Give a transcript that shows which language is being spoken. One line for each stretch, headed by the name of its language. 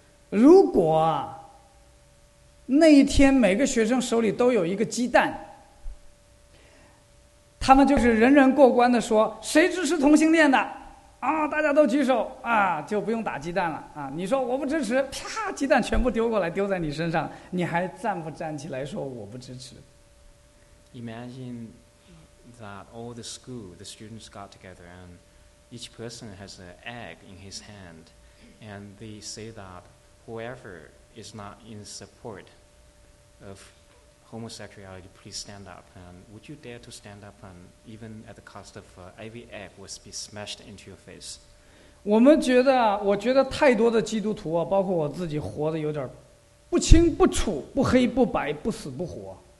Chinese: 如果那一天每个学生手里都有一个鸡蛋，他们就是人人过关的说，谁支持同性恋的啊，大家都举手啊，就不用打鸡蛋了啊，你说我不支持，啪，鸡蛋全部丢过来丢在你身上，你还站不站起来说我不支持。
English: Imagine that all the school, the students got together and each person has an egg in his hand and they say that whoever is not in support of homosexuality, please stand up. And would you dare to stand up and even at the cost of every egg was be smashed into your face?
Chinese: 我们觉得，我觉得太多的基督徒啊，包括我自己，活得有点不清不楚，不黑不白，不死不活。